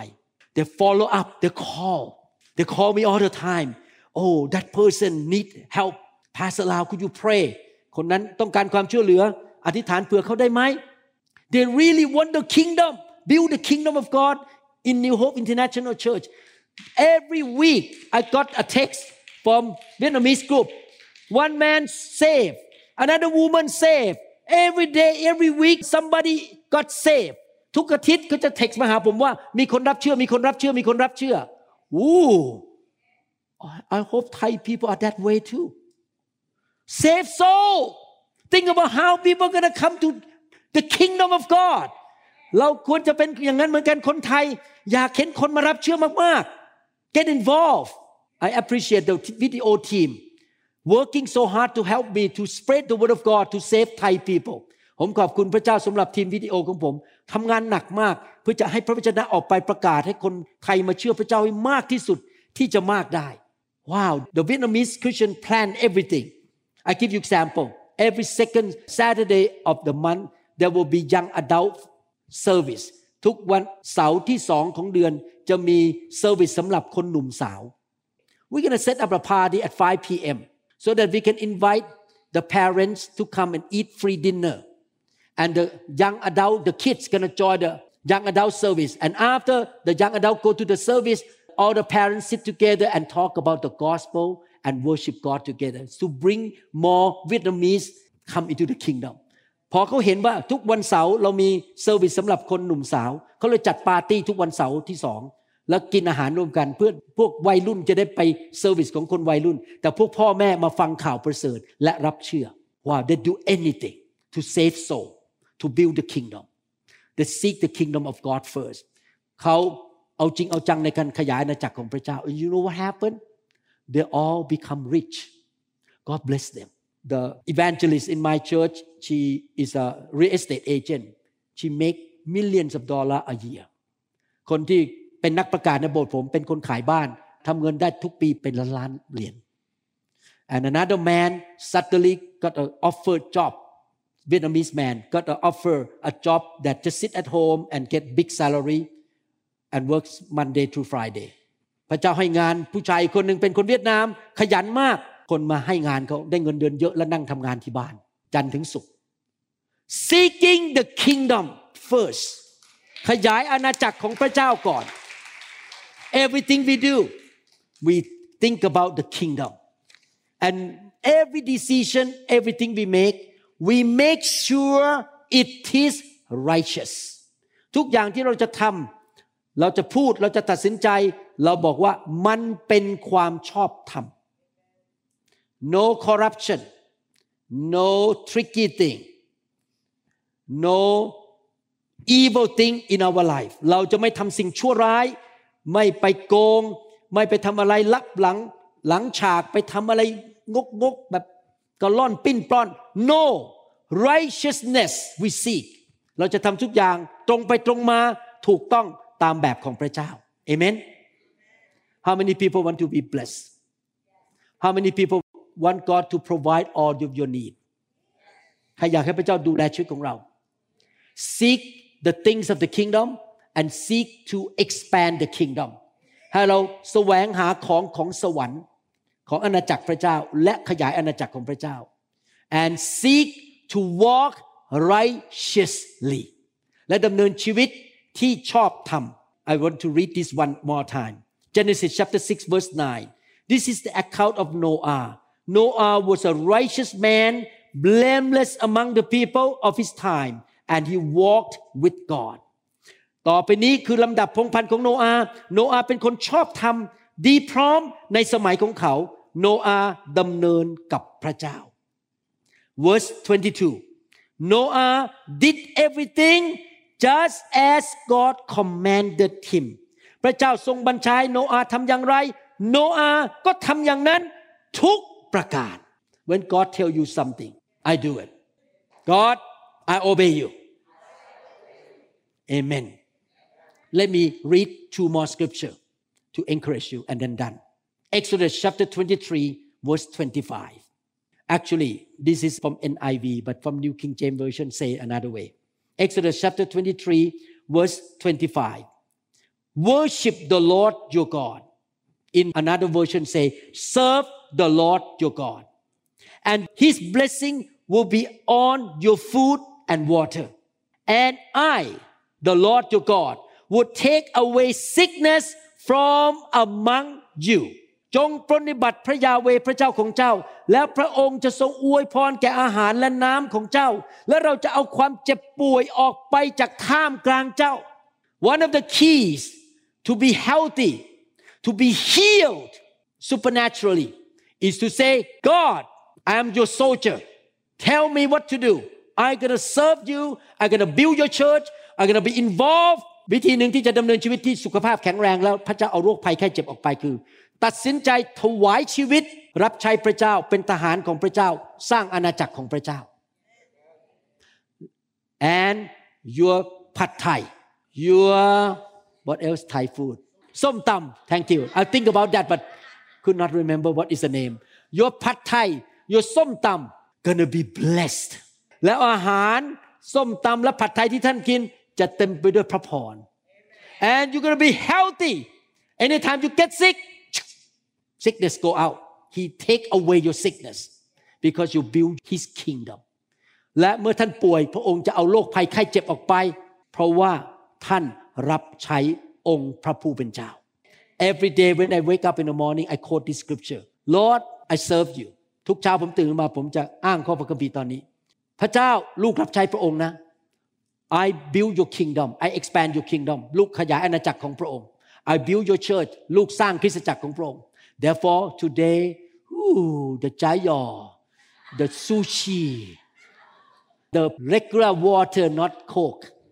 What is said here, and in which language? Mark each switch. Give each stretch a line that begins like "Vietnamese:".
English: They follow up they call me all the time Oh that person need help Pastor Lau could you pray
Thai: คนนั้นต้องการความช่วยเหลืออธิษฐานเผื่อเขาได้ไหม
English: They really want the kingdom, build the kingdom of God in New Hope International Church. Every week, I got a text from Vietnamese group. One man saved, another woman saved. Every day, every week, somebody got saved.
Thai: ทุกอาทิตย์เขาจะ text มาหาผมว่ามีคนรับเชื่อ
English: Ooh, I hope Thai people are that way too. Save soul. Think about how people are going to come to the kingdom of God.
Thai: เราควรจะเป็นอย่างนั้นเหมือนกันคนไทยอยากเห็นคนมารับเชื่อมากๆ
English: Get involved. I appreciate the video team working so hard to help me to spread the word of God to save Thai people.
Thai: ผมขอบคุณพระเจ้าสำหรับทีมวิดีโอของผมทำงานหนักมากเพื่อจะให้พระวจนะออกไปประกาศให้คนไทยมาเชื่อพระเจ้าให้มากที่สุดที่จะมากได้
English: Wow, the Vietnamese Christian planned everything. I give you example. Every second Saturday of the month, there will be young adult service.
Thai: ทุกวันเสาร์ที่สองของเดือนจะมี service สำหรับคนหนุ่มสาว
English: We're going to set up a party at 5 p.m. so that we can invite the parents to come and eat free dinner. And the young adult, the kids gonna join the young adult service. And after the young adult go to the service, all the parents sit together and talk about the gospel and worship God together to bring more Vietnamese come into the kingdom.
Thai: พอเขาเห็นว่าทุกวันเสาร์เรามี service สำหรับคนหนุ่มสาวเขาเลยจัดปาร์ตี้ทุกวันเสาร์ที่สองแล้วกินอาหารร่วมกันเพื่อพวกวัยรุ่นจะได้ไป service ของคนวัยรุ่นแต่พวกพ่อแม่มาฟังข่าวประเสริฐและรับเชื่อ
English: Wow, they do anything. To save soul, to build the kingdom, they seek the kingdom of God first.
Thai: How, เอาจริงเอาจังในการขยายอาณาจักรของพระเจ้า
English: You know what happened? They all become rich. God bless them. The evangelist in my church, she is a real estate agent. She make millions of dollars a year.
Thai: คนที่เป็นนักประกาศในโบสถ์ผมเป็นคนขายบ้านทำเงินได้ทุกปีเป็นล้านเหรียญ
English: And another man suddenly got an offered job. Vietnamese man got to offer a job that just sit at home and get big salary and works Monday through Friday.
Thai: พระเจ้าให้งานผู้ชายคนหนึ่งเป็นคนเวียดนามขยันมากคนมาให้งานเขาได้เงินเดือนเยอะและนั่งทำงานที่บ้านจันทร์ถึงศุกร์
English: Seeking the kingdom first.
Thai: ขยายอาณาจักรของพระเจ้าก่อน
English: Everything we do, we think about the kingdom. And every decision, everything we make,We make sure it is righteous.
Thai: ทุกอย่างที่เราจะทำเราจะพูดเราจะตัดสินใจเราบอกว่ามันเป็นความชอบธรรม
English: No corruption. No tricky thing. No evil thing in our life.
Thai: เราจะไม่ทำสิ่งชั่วร้ายไม่ไปโกงไม่ไปทำอะไรลับหลังฉากไปทำอะไรงกๆแบบก็ล่อนปิ้นปล้อน
English: No righteousness we seek
Thai: เราจะทำทุกอย่างตรงไปตรงมาถูกต้องตามแบบของพระเจ้า Amen
English: How many people want to be blessed How many people want God to provide all of your need
Thai: ใครอยากให้พระเจ้าดูแลชีวิตของเรา
English: Seek the things of the kingdom and seek to expand the kingdom
Thai: ให้เราแสวงหาของของสวรรค์ของอาณาจักรพระเจ้าและขยายอาณาจักรของพระเจ้า
English: and seek to walk righteously
Thai: และดำเนินชีวิตที่ชอบธรรม
English: I want to read this one more time Genesis chapter 6 verse 9 this is the account of Noah Noah was a righteous man blameless among the people of his time and he walked with God
Thai: ต่อไปนี้คือลำดับพงศ์พันธุ์ของโนอาห์เป็นคนชอบธรรมดีพร้อมในสมัยของเขาโนอาดำเนินกับพระเจ้า
English: verse 22 Noah did everything just as God commanded him
Thai: พระเจ้าทรงบัญชาโนอาทำอย่างไรโนอาก็ทำอย่างนั้นทุกประการ
English: when God tell you something I do it God I obey you amen let me read two more scriptureTo encourage you and then done. Exodus chapter 23, verse 25. Actually, this is from NIV, but from New King James Version, say another way. Exodus chapter 23, verse 25. Worship the Lord your God. In another version, say, serve the Lord your God. And his blessing will be on your food and water. And I, the Lord your God, will take away sickness. From among you,
Thai: จงปรนนิบัติพระยาเวห์พระเจ้าของเจ้าแล้วพระองค์จะทรงอวยพรแก่อาหารและน้ำของเจ้าและเราจะเอาความเจ็บป่วยออกไปจากท่ามกลางเจ้า
English: One of the keys to be healthy, to be healed, supernaturally is to say, God, I am your soldier. Tell me what to do. I'm going to serve you. I'm going to build your church. I'm going to be involved.
Thai: วิธีหนึ่งที่จะดำเนินชีวิตที่สุขภาพแข็งแรงแล้วพระเจ้าเอาโรคภัยไข้เจ็บออกไปคือตัดสินใจถวายชีวิตรับใช้พระเจ้าเป็นทหารของพระเจ้าสร้างอาณาจักรของพระเจ้า
English: and your pad Thai your what else Thai food ส้มตำ thank you I think about that but could not remember what is the name your pad Thai your ส้มตำ gonna be blessed
Thai: แล้วอาหารส้มตำและผัดไทยที่ท่านกินจะเต็มไปด้วยพระพร
English: and you're going to be healthy anytime you get sick sickness go out he take away your sickness because you build his kingdom
Thai: และเมื่อท่านป่วยพระองค์จะเอาโรคภัยไข้เจ็บออกไปเพราะว่าท่านรับใช้องค์พระผู้เป็นเจ้า
English: every day when I wake up in the morning I quote this scripture Lord I serve you
Thai: ทุกเช้าผมตื่นมาผมจะอ้างข้อพระคัมภีร์ตอนนี้พระเจ้าลูกรับใช้พระองค์นะ
English: I build your kingdom. I expand your kingdom.
Thai: ลูกขยายอาณาจักรของพระองค์
English: I build your church.
Thai: ลูกสร้างคริสตจักรของพระองค์
English: Therefore, today, the jiao, the sushi, the regular water, not coke.